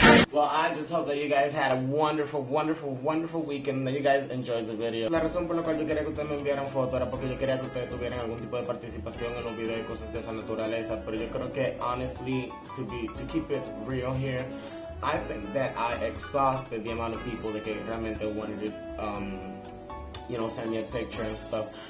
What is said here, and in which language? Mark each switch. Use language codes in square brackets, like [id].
[en] Well, I just hope that you guys had a wonderful, wonderful, wonderful weekend and that you guys enjoyed the video. [es] La razón por la cual yo quería que ustedes me enviaran fotos era porque yo quería que ustedes tuvieran algún tipo de participación en los videos y cosas de esa naturaleza. Pero yo creo que, [en] honestly, to keep it real here, I think that I exhausted the amount of people that realmente wanted to, you know, send me a picture and stuff.